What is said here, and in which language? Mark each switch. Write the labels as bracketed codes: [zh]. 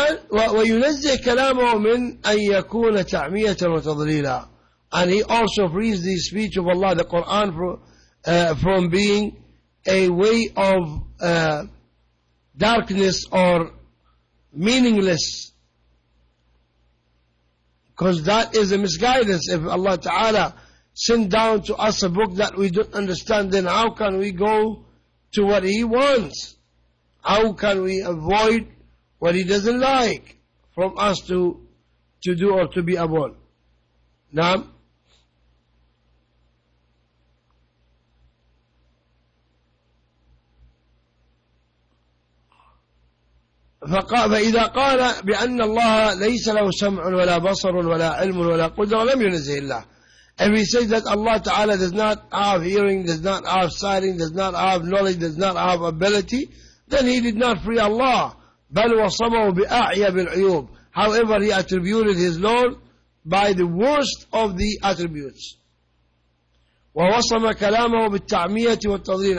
[ar] وينزه كلامه من أن يكون تعمية وتضليلا. [en] And he also frees the speech of Allah, the Quran, from being a way of darkness or meaningless. Because that is a misguidance. If Allah Ta'ala sent down to us a book that we don't understand, then how can we go to what He wants? How can we avoid what He doesn't like from us to do or to be upon? Naam? [ar] فإذا قال بأن الله ليس له سمع ولا بصر ولا علم ولا قدر لم ينزه الله. [en] If he says that Allah Ta'ala does not have hearing, does not have sighting, does not have knowledge, does not have ability, then he did not free Allah. [ar] بل وصمه بأعيى بالعيوب. [en] However, he attributed his Lord by the worst of the attributes. [ar] ووصم كلامه بالتعمية والتضليل.